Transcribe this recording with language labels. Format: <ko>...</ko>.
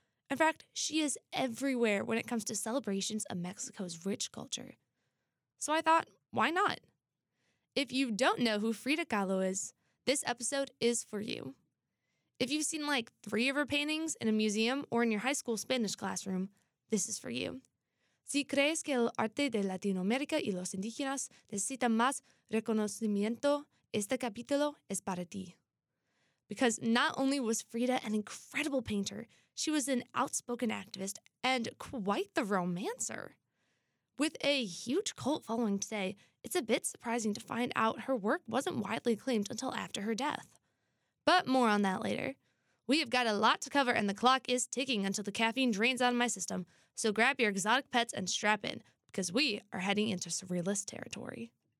<en>In fact, she is everywhere when it comes to celebrations of Mexico's rich culture. So I thought, why not? If you don't know who Frida Kahlo is, this episode is for you. If you've seen like 3 of her paintings in a museum or in your high school Spanish classroom, this is for you.</en> <es>Si crees que el arte de Latinoamérica y los indígenas necesita más reconocimiento, este capítulo es para ti.</es> <en>Because not only was Frida an incredible painter, she was an outspoken activist and quite the romancer. With a huge cult following today, it's a bit surprising to find out her work wasn't widely acclaimed until after her death. But more on that later. We have got a lot to cover and the clock is ticking until the caffeine drains out of my system, so grab your exotic pets and strap in, because we are heading into surrealist territory.</en>